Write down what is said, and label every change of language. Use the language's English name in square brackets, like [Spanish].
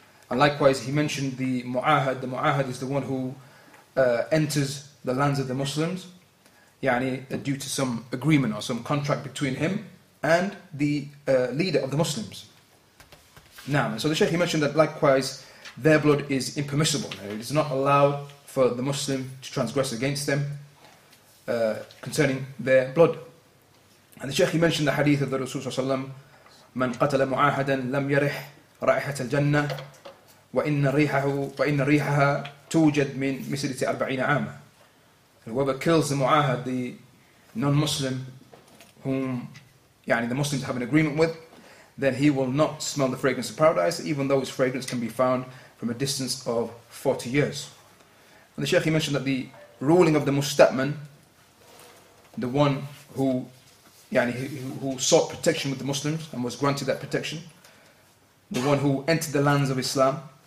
[English] And likewise, he mentioned the mu'ahad. The mu'ahad is the one who enters the lands of the Muslims, due to some agreement or some contract between him and the leader of the Muslims. Now, so the Sheikh, he mentioned that likewise, their blood is impermissible. It is not allowed for the Muslim to transgress against them concerning their blood. And the Sheikh, he mentioned the hadith of the Rasulullah, [Arabic] من قتل معاهدا لم يرح رائحة الجنة وإن ريحها توجد من مسيرة 40 عاما. [English] Whoever kills the mu'ahad, the non-Muslim, whom the Muslims have an agreement with, then he will not smell the fragrance of paradise, even though his fragrance can be found from a distance of 40 years. And the Sheikh, he mentioned that the ruling of the musta'man, the one who who sought protection with the Muslims and was granted that protection, the one who entered the lands of Islam